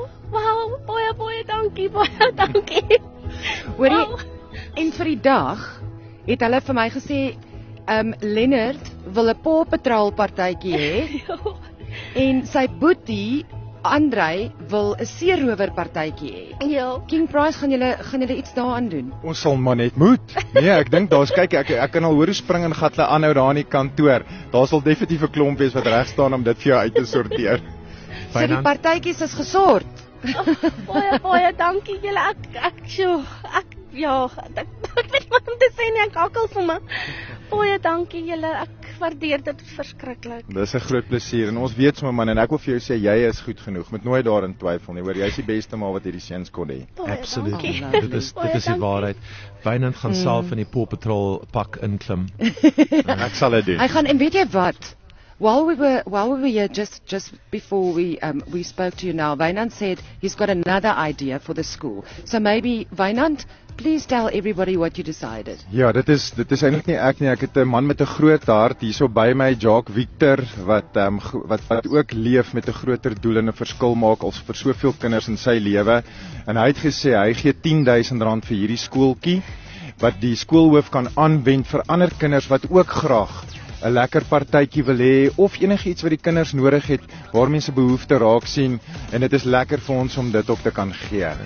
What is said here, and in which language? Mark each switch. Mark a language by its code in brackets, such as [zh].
[af] Wow, baie, baie dankie, baie dankie. Hoorie, en vir die dag het hulle vir my gesê, Leonard wil 'n Paw Patrol partytjie hê. En sy boetie Andrei wil 'n seerower partytjie hê. Ja. King Price, gaan julle iets daaraan doen? Ons sal maar net moet. Nee, ek dink daar's kyk ek kan al hoor hoe spring en gat hulle aanhou daar in die kantoor. Daar sal definitief 'n klomp wees wat reg staan om dit vir jou uit te sorteer. So die partytjies is gesort. Oh, baie dankie julle. Ek weet nie wat om te sê nie, ek hakkel sommer. Baie dankie julle, ek waardeer dit verskriklik. Dis 'n groot plesier, en ons weet sommer, man, en ek wil vir jou sê, jy is goed genoeg, moet nooit daarin twyfel nie, hoor, jy is die beste maal wat hierdie seuns kon hê. Absoluut, dit is die waarheid. Wynand gaan self in die Paw Patrol pak inklim. En ek sal dit doen. Hy gaan, en weet jy wat, [en] while we were here, just before we spoke to you now, Wynand said he's got another idea for the school. So maybe, Wynand, please tell everybody what you decided. [af] Ja, dit is eintlik nie ek nie. Ek het 'n man met 'n groot hart hierso by my, Jacques Victor, wat ook leef met 'n groter doel en 'n verskil maak als vir soveel kinders in sy lewe. En hy het gesê hy gee R10,000 vir hierdie skooltjie wat die skoolhoof kan aanwend vir ander kinders wat ook graag 'n lekker partytjie wil hê of enigiets wat die kinders nodig het waar mense behoefte raak sien, en dit is lekker vir ons om dit op te kan gee.